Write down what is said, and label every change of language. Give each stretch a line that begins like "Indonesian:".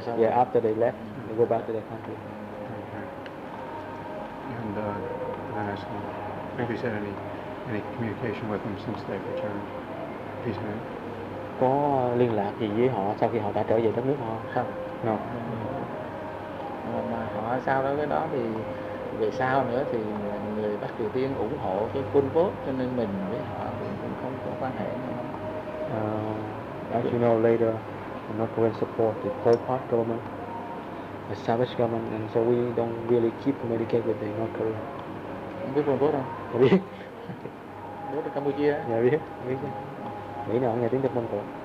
Vietnamese: xong.
English: Yeah, after they left, they go back to their country. Okay. And then I asked him, have you had any communication with them since they returned? He's been.
Vietnamese: Có liên lạc gì với họ sau khi họ đã trở về đất nước không? Không.
English: No.
Vietnamese: Mà họ sau đó cái đó thì về sau nữa thì người Bắc Triều Tiên ủng hộ cái Pol Pot cho nên mình với họ cũng không có quan hệ nữa.
English: As you know, later the North Korean support the Pol Pot government, the Savage government, and so we don't really keep communicate with the North Korea.
Vietnamese: Không biết Pol Pot không? Biết. Biết ở Campuchia. Dạ biết. Mỹ nào nghe tiếng Đức Mông Cổ.